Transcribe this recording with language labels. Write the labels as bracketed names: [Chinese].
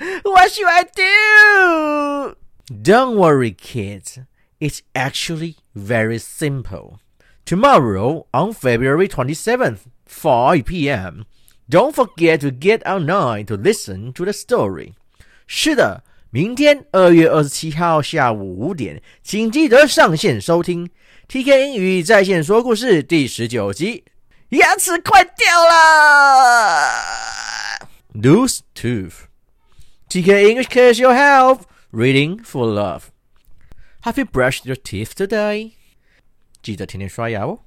[English] What should I do? Don't worry, kids. It's actually very simple. Tomorrow, on February 27th, 5 p.m., don't forget to get online to listen to the story. [Chinese] 是的，明天2月27号下午5点，请记得上线收听 TK 英语在线说故事第19集。牙齿快掉了 [English] Loose tooth TK English Cares Your Health Reading for Love Have you brushed your teeth today? [Chinese] 记得天天刷牙哦。